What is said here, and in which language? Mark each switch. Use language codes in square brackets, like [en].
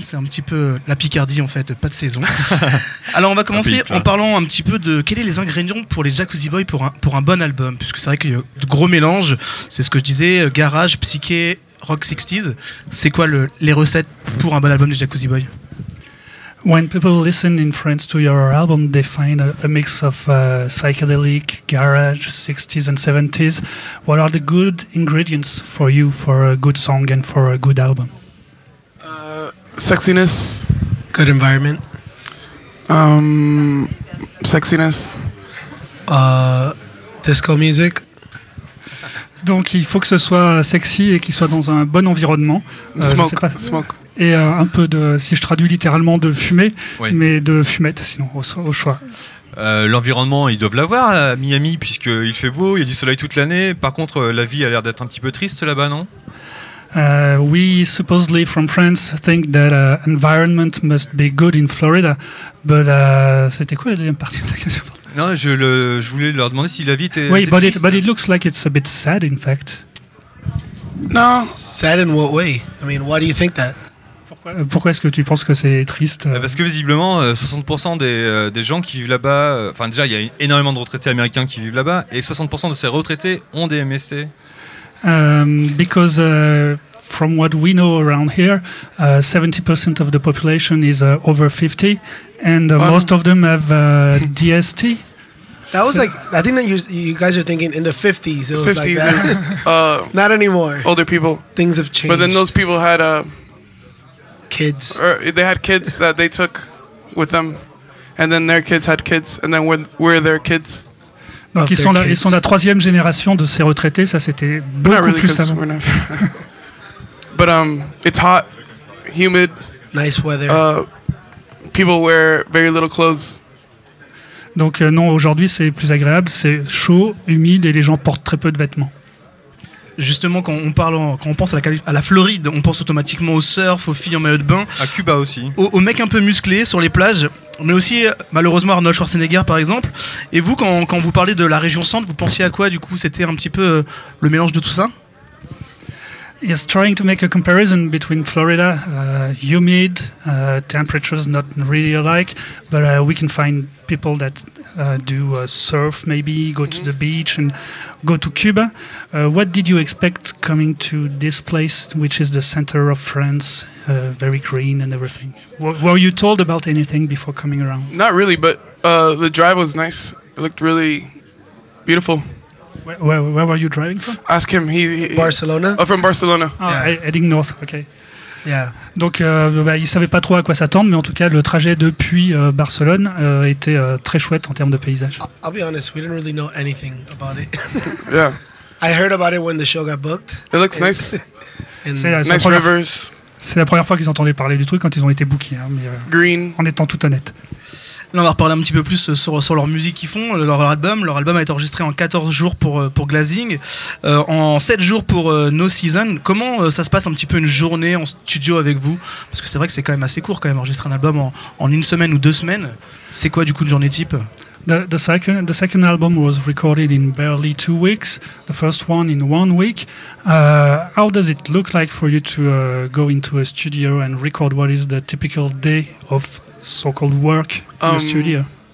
[fr] C'est un petit peu la Picardie en fait, pas de saison. Alors on va commencer en parlant un petit peu de quels sont les ingrédients pour les Jacuzzi Boys pour un bon album, puisque c'est vrai qu'il y a de gros mélanges, c'est ce que je disais, garage, psyché, rock 60s. C'est quoi les recettes pour un bon album des Jacuzzi Boys? [en] When people listen in France to your album, they find a mix of psychedelic, garage, 60s and 70s. What are the good ingredients for you for a good song and for a good album? Sexiness. Good environment. Sexiness. Disco music. [fr] Donc il faut que ce soit sexy et qu'il soit dans un bon environnement. [en] Smoke. [fr] Et un peu de, si je traduis littéralement, de fumée, oui. Mais de fumette sinon au choix. L'environnement, ils doivent l'avoir à Miami puisqu'il fait beau, il y a du soleil toute l'année. Par contre, la vie a l'air d'être un petit peu triste là-bas, non? [en] We supposedly from France think that environment must be good in Florida, but [fr] c'était quoi la deuxième partie de la question? Non, je voulais leur demander si la vie était. Oui, [en] but [fr] triste. [en] It looks like it's a bit sad, in fact. No. Sad in what way? I mean, why do you think that? [fr] Pourquoi est-ce que tu penses que c'est triste? Parce que visiblement, 60% des gens qui vivent là-bas, enfin déjà, il y a énormément de retraités américains qui vivent là-bas, et 60% de ces retraités ont des MST. [en] Because from what we know around here, 70% of the population is over 50, and most of them have DST. That was so like, I think that you guys are thinking in the 50s, it was 50s like that. Not anymore. Older people. Things have changed. But then those people had kids. They had kids that they took with them, and then their kids had kids, and then were their kids. [fr] Donc ils sont la troisième génération de ces retraités, ça c'était beaucoup [en] really [fr] plus avant. [en] But it's hot, humid. Nice weather. People wear very little clothes. [fr] Donc non, aujourd'hui c'est plus agréable, c'est chaud, humide et les gens portent très peu de vêtements. Justement, quand on pense à la Floride, on pense automatiquement au surf, aux filles en maillot de bain. À Cuba aussi. Aux mecs un peu musclés sur les plages, mais aussi malheureusement Arnold Schwarzenegger par exemple. Et vous, quand vous parlez de la région centre, vous pensiez à quoi du coup? C'était un petit peu le mélange de tout ça? [en] He's trying to make a comparison between Florida, humid, temperatures not really alike, but we can find people that do surf maybe, go to the beach and go to Cuba. What did you expect coming to this place, which is the center of France, very green and everything? Were you told about anything before coming around? Not really, but the drive was nice. It looked really beautiful. Where were you driving from? Ask him. Barcelona. Oh, from Barcelona. Oh, yeah. Heading north. Okay. Yeah. [fr] Donc, il savait pas trop à quoi s'attendre, mais en tout cas, le trajet depuis Barcelone était très chouette en termes de paysage. [en] I'll be honest, we didn't really know anything about it. Yeah. I heard about it when the show got booked. It looks nice. Nice rivers. [fr] C'est la première fois qu'ils entendaient parler du truc quand ils ont été bookés. Hein, mais, [en] green. [fr] En étant tout honnête. Là, on va reparler un petit peu plus sur leur musique qu'ils font, leur album. Leur album a été enregistré en 14 jours pour Glassing, en 7 jours pour No Season. Comment ça se passe un petit peu une journée en studio avec vous? Parce que c'est vrai que c'est quand même assez court quand même, enregistrer un album en une semaine ou deux semaines. C'est quoi du coup une journée type? [en] The second album was recorded in barely 2 weeks, the first one in 1 week. How does it look like for you to go into a studio and record? What is the typical day of so-called work in the studio?